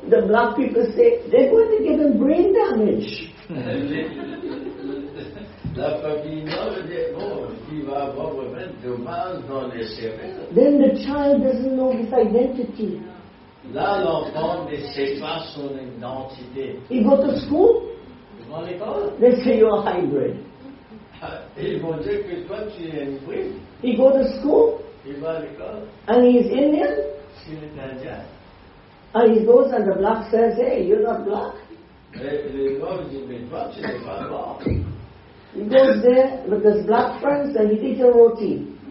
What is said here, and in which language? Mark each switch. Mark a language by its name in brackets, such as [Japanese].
[English] The black people say they're going to give him brain damage. [French] La famille noire dit bon, il va avoir vraiment de mal dans les cerveaux. [English] Then the child doesn't know his identity. [French] Là, l'enfant ne sait pas son identité. [English] He go to school. [French] Il va à l'école. [English] They say you're a hybrid. [French] Ils vont dire que toi tu es un hybride. [English] He go to school. [French] Il va à l'école. [English] And he's Indian. [French] Il est Indien. [English] And he goes and the black says, hey, you're not black. [French] Les noirs disent mais toi tu n'es pas noir. [English] He goes there with his black friends and he eats a roti.